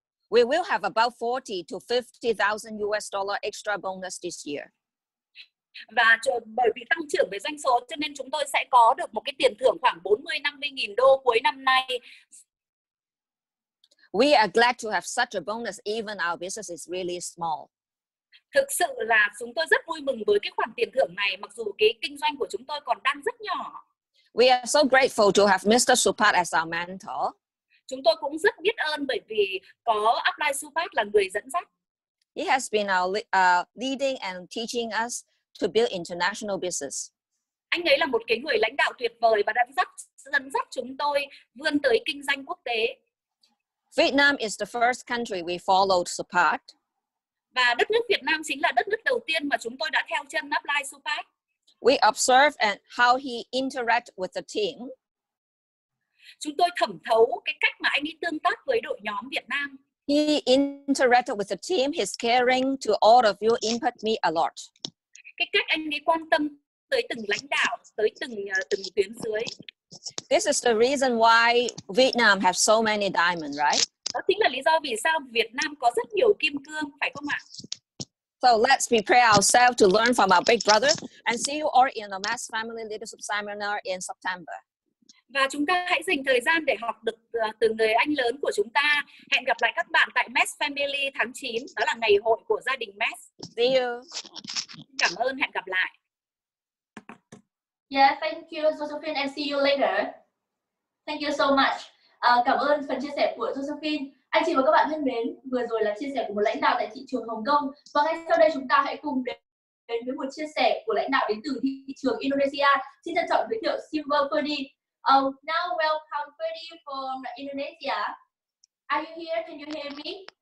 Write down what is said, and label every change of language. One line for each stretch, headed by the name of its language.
English: We will have about $40,000 to $50,000 extra bonus this year.
Vietnamese: Và bởi vì tăng trưởng về doanh số cho nên chúng tôi sẽ có được một cái tiền thưởng khoảng 40-50.000 đô cuối năm nay.
English: We are glad to have such a bonus even our business is really small.
Vietnamese: Thực sự là chúng tôi rất vui mừng với cái khoản tiền thưởng này mặc dù cái kinh doanh của chúng tôi còn đang rất nhỏ.
English: We are so grateful to have Mr. Supat as our mentor.
Vietnamese: Chúng tôi cũng rất biết ơn bởi vì có Upline Supat là người dẫn dắt.
English: He has been our leading and teaching us to build international business.
Vietnamese: Anh ấy là một cái người lãnh đạo tuyệt vời và đã dẫn dắt chúng tôi vươn tới kinh doanh quốc tế.
English: Vietnam is the first country we followed Supat.
Vietnamese: Và đất nước Việt Nam chính là đất nước đầu tiên mà chúng tôi đã theo chân Upline Supat.
English: We observe and how he interact with the team.
Vietnamese: Chúng tôi thẩm thấu cái cách mà anh ấy tương tác với đội nhóm Việt Nam.
English: He interacted with the team, he's caring to all of you, impact me a lot.
Vietnamese: Cái cách anh ấy quan tâm tới từng lãnh đạo, tới từng tuyến dưới.
English: This is the reason why Vietnam has so many diamonds, right?
Vietnamese: Đó chính là lý do vì sao Việt Nam có rất nhiều kim cương, phải không ạ?
English: So let's prepare ourselves to learn from our big brother and see you all in the Mass Family Leadership Seminar in September.
Vietnamese: Và chúng ta hãy dành thời gian để học được từ người anh lớn của chúng ta. Hẹn gặp lại các bạn tại Mass Family tháng 9, đó là ngày hội của gia đình Mass.
English: See you.
Vietnamese: Cảm ơn, hẹn gặp lại.
English: Yeah, thank you, Josephine, and see you later. Thank you so much.
Vietnamese: Cảm ơn phần chia sẻ của Josephine. Anh chị và các bạn thân mến, vừa rồi là chia sẻ của một lãnh đạo tại thị trường Hồng Kông. Và ngay sau đây chúng ta hãy cùng đến với một chia sẻ của lãnh đạo đến từ thị trường Indonesia. Xin trân trọng giới thiệu Silver Ferdy.
English: Now welcome Ferdy from Indonesia. Are you here? Can you hear me?